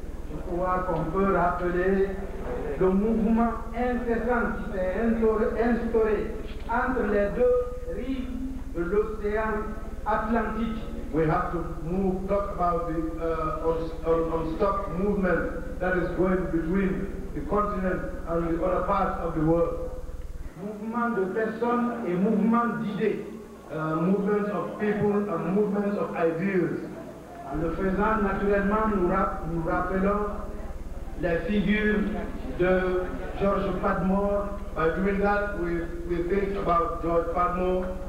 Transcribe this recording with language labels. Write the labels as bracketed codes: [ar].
[fr] je crois qu'on peut rappeler le mouvement incessant qui s'est instauré entre les deux rives de l'océan Atlantique. [en] We have to talk about the unstopped movement that is going between the continent and the other parts of the world. [fr] Mouvement de personnes et mouvement d'idées. [en] Movements of people and movements of ideas. [fr] En le faisant, naturellement, nous rappelons la figure de George Padmore. [en] By doing that, we think about George Padmore,